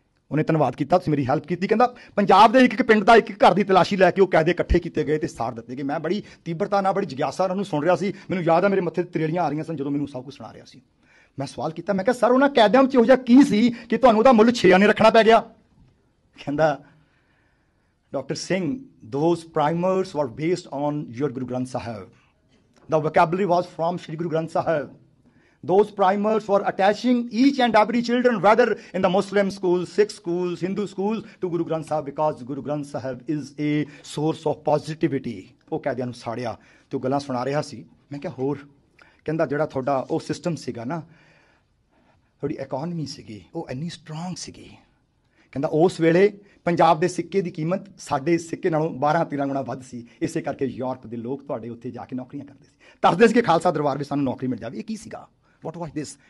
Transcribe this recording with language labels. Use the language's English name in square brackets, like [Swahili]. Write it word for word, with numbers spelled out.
[Punjabi] ਉਹਨੇ ਧੰਨਵਾਦ ਕੀਤਾ, ਤੁਸੀਂ ਮੇਰੀ ਹੈਲਪ ਕੀਤੀ। ਕਹਿੰਦਾ ਪੰਜਾਬ ਦੇ ਇੱਕ ਇੱਕ ਪਿੰਡ ਦਾ ਇੱਕ ਇੱਕ ਘਰ ਦੀ ਤਲਾਸ਼ੀ ਲੈ ਕੇ ਉਹ ਕੈਦੇ ਇਕੱਠੇ ਕੀਤੇ ਗਏ ਤੇ ਸਾੜ ਦਿੱਤੇ ਗਏ। ਮੈਂ ਬੜੀ ਤੀਬਰਤਾ ਨਾਲ, ਬੜੀ ਜਗਿਆਸਾ ਨਾਲ ਉਹਨੂੰ ਸੁਣ ਰਿਹਾ ਸੀ, ਮੈਨੂੰ ਯਾਦ ਆ ਮੇਰੇ ਮੱਥੇ 'ਤੇ ਤਰੇੜੀਆਂ ਆ ਰਹੀਆਂ ਸਨ ਜਦੋਂ ਮੈਨੂੰ ਸਭ ਕੁਝ ਸੁਣਾ ਰਿਹਾ ਸੀ। ਮੈਂ ਸਵਾਲ ਕੀਤਾ, ਮੈਂ ਕਿਹਾ ਸਰ ਉਹਨਾਂ ਕੈਦਿਆਂ 'ਚ ਇਹੋ ਜਿਹਾ ਕੀ ਸੀ ਕਿ ਤੁਹਾਨੂੰ ਉਹਦਾ ਮੁੱਲ ਛੇ ਆਨੇ ਰੱਖਣਾ ਪੈ ਗਿਆ। ਕਹਿੰਦਾ [English] Doctor Singh, those primers were based on your Guru Granth Sahib. The vocabulary was from Shri Guru Granth Sahib. those primers for attaching each and every children, whether in the Muslim schools, Sikh schools, Hindu schools, to Guru Granth Sahib, because Guru Granth Sahib is a source of positivity. [Punjabi] ਉਹ ਕਹਦਿਆਂ ਨੂੰ ਸਾੜਿਆ ਤੇ ਉਹ ਗੱਲਾਂ ਸੁਣਾ ਰਿਹਾ ਸੀ। ਮੈਂ ਕਿਹਾ ਹੋਰ, ਕਹਿੰਦਾ ਜਿਹੜਾ ਤੁਹਾਡਾ ਉਹ ਸਿਸਟਮ ਸੀਗਾ ਨਾ, ਤੁਹਾਡੀ ਇਕੋਨਮੀ ਸੀਗੀ, ਉਹ ਇੰਨੀ ਸਟਰੋਂਗ ਸੀਗੀ। ਕਹਿੰਦਾ ਉਸ ਵੇਲੇ ਪੰਜਾਬ ਦੇ ਸਿੱਕੇ ਦੀ ਕੀਮਤ ਸਾਡੇ ਸਿੱਕੇ ਨਾਲੋਂ ਬਾਰਾਂ ਤੇਰਾਂ ਗੁਣਾ ਵੱਧ ਸੀ, ਇਸੇ ਕਰਕੇ ਯੂਰਪ ਦੇ ਲੋਕ ਤੁਹਾਡੇ ਉੱਥੇ ਜਾ ਕੇ ਨੌਕਰੀਆਂ ਕਰਦੇ ਸੀ, ਦੱਸਦੇ ਸੀ ਕਿ ਖਾਲਸਾ ਦਰਬਾਰ ਵਿੱਚ ਸਾਨੂੰ ਨੌਕਰੀ ਮਿਲ ਜਾਵੇ। ਇਹ ਕੀ ਸੀਗਾ? [English] What was this?